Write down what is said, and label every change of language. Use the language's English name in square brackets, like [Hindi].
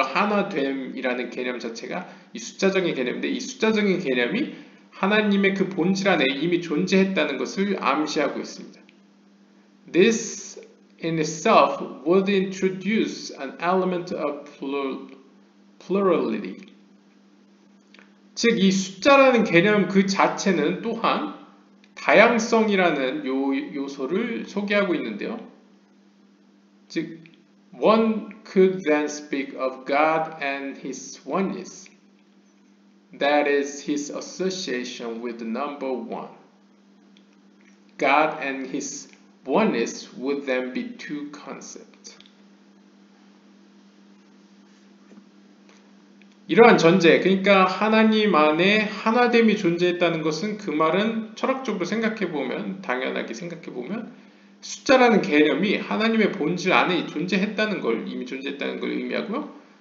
[Korean] 한화됨이라는 개념 자체가 이 숫자적인 개념인데 이 숫자적인 개념이 하나님의 그 본질 안에 이미 존재했다는 것을 암시하고 있습니다. [English] This in itself would introduce an element of plurality. [Korean] 즉 이 숫자라는 개념 그 자체는 또한 다양성이라는 요소를 소개하고 있는데요. 즉 [English] one could then speak of God and his oneness. That is his association with the number one. God and his oneness would then be two concepts. [Korean] 이러한 전제, 그러니까 하나님 안에 하나됨이 존재했다는 것은 그 말은 철학적으로 생각해보면, 당연하게 생각해보면 숫자라는 개념이 하나님의 본질 안에 존재했다는 걸, 이미 존재했다는 걸 의미하고요.